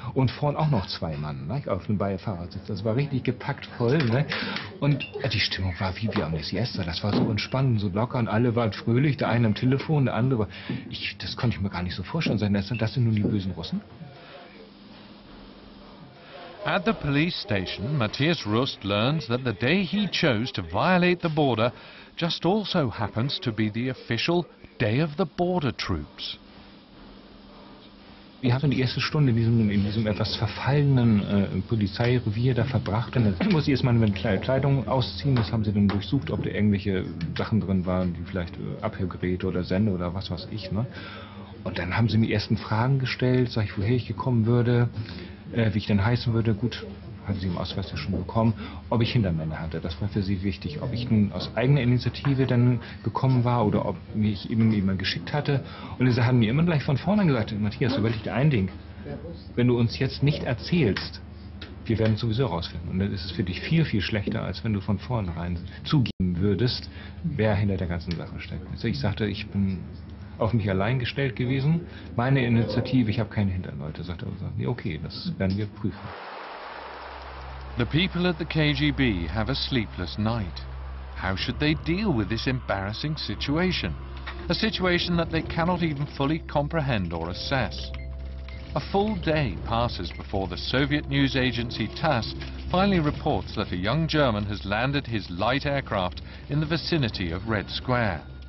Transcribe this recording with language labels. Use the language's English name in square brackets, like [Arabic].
[German] Und vorn auch noch zwei Mann, ne, auf dem Beifahrersitz. Das war richtig gepackt voll. Ne? Und die Stimmung war wie am Siesta. Das war so entspannt und so locker. Und alle waren fröhlich. Der eine am Telefon, der andere. Das konnte ich mir gar nicht so vorstellen. Das sind nun die bösen Russen. [English] At the police station, Matthias Rust learns that the day he chose to violate the border just also happens to be the official day of the border troops. [German] Wir haben die erste Stunde in diesem etwas verfallenen Polizeirevier da verbracht. Und dann muss ich erstmal eine kleine Kleidung ausziehen. Das haben sie dann durchsucht, ob da irgendwelche Sachen drin waren, die vielleicht Abhörgeräte oder Sende oder was weiß ich. Ne? Und dann haben sie mir die ersten Fragen gestellt, sag ich, woher ich gekommen würde, wie ich denn heißen würde. Gut, hatten sie im Ausweis ja schon bekommen, ob ich Hintermänner hatte. Das war für sie wichtig, ob ich nun aus eigener Initiative dann gekommen war oder ob mich eben jemand geschickt hatte. Und sie haben mir immer gleich von vorne gesagt, Matthias, überleg dir ein Ding, wenn du uns jetzt nicht erzählst, wir werden sowieso rausfinden. Und dann ist es für dich viel, viel schlechter, als wenn du von vornherein zugeben würdest, wer hinter der ganzen Sache steckt. Also ich sagte, ich bin auf mich allein gestellt gewesen, meine Initiative, ich habe keine Hinterleute. Sagte er, sagte, okay, das werden wir prüfen. [English] The people at the KGB have a sleepless night. How should they deal with this embarrassing situation? A situation that they cannot even fully comprehend or assess. A full day passes before the Soviet news agency TASS finally reports that a young German has landed his light aircraft in the vicinity of Red Square.